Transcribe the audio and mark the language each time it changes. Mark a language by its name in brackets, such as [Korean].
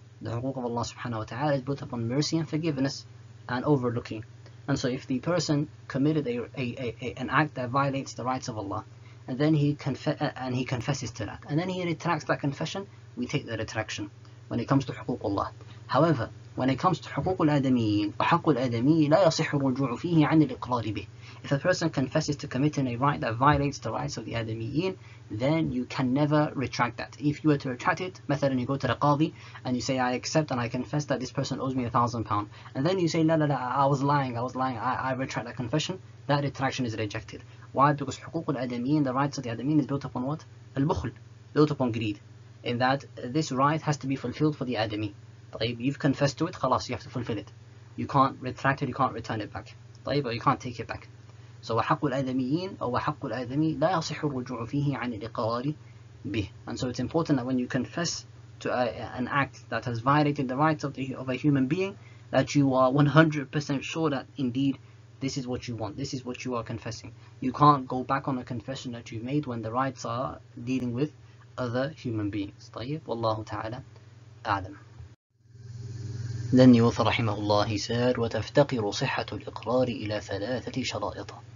[English] The حقوق of Allah subhanahu wa ta'ala is built upon mercy and forgiveness and overlooking. And so if the person committed an act that violates the rights of Allah, and then he confesses to that, and then he retracts that confession, we take the retraction when it comes to حقوق الله. However, when it comes to [Arabic] حقوق الآدميين, وحق الآدمي لا يصح الرجوع فيه عن الإقرار به. [English] If a person confesses to committing a right that violates the rights of the آدميين, then you can never retract that. If you were to retract it, مثلا, you go to the qadi and you say, I accept and I confess that this person owes me £1,000. And then you say, no, I was lying, I retract that confession. That retraction is rejected. Why? Because حقوق الآدميين, the rights of the آدميين, is built upon what? البخل, built upon greed. In that, this right has to be fulfilled for the آدمي. طيب, you've confessed to it, خلاص, you have to fulfill it. You can't retract it, you can't return it back. طيب, or you can't take it back. [Arabic] So وحق الآدميين أو وحق الآدمي لا يصح الرجوع فيه عن الإقرار به. [English] And so it's important that when you confess to an act that has violated the rights of a human being, that you are 100% sure that indeed this is what you want, this is what you are confessing. You can't go back on a confession that you've made when the rights are dealing with other human beings. [Arabic] طيب, والله تعالى أعلم. [English] Then the author [Arabic] رحمه الله, [English] he said, [Arabic] وتفتقر صحة الإقرار إلى ثلاثة شرائط.